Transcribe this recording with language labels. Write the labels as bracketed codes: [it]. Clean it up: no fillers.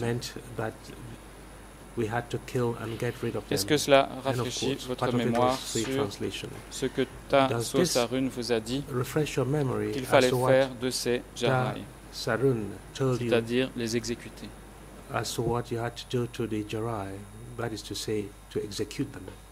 [en] Meant that we had to kill and get rid of them. [fr] Est-ce que cela rafraîchit votre mémoire sur ce que Ta Sarun vous a dit qu'il fallait faire de ces Jarai, c'est-à-dire les exécuter? [en] As to what you had to do to the Jarai, that is to say, to execute them.